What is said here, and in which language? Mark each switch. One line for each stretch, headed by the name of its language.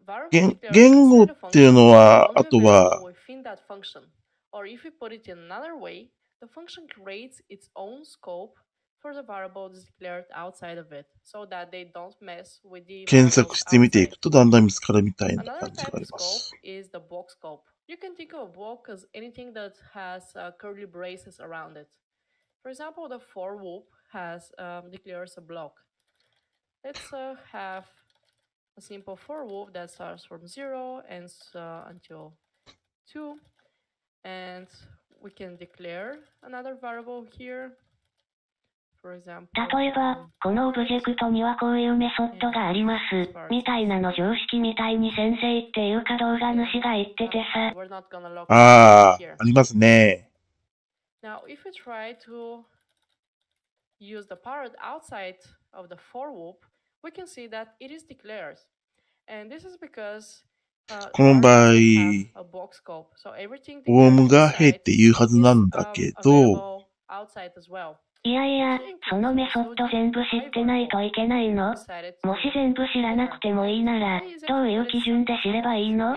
Japanese: 言語っていうのは、あとは、検索してみていくと、だんだん見つかるみたいな感じがあります。
English: You can think of a block as anything that has curly braces around it. For example, the for loop has declares a block. Let's have. A simple for loop that starts from 0 and until 2. And we can declare another variable here.
Japanese: 例えば、このオブジェクトにはこういうメソッドがあります、みたいなの常識みたいに先生っていうか動画主が言っててさ。ああ、ありますね。
English: Now, if you try to use the part outside of the for loop, we can see that it is declared. And this is because,
Japanese: この場合、ウォームが入っていうはずなんだけど、いやいや、そのメソッド全部知ってないといけないの？もし全部知らなくてもいいなら、どういう基準で知ればいいの？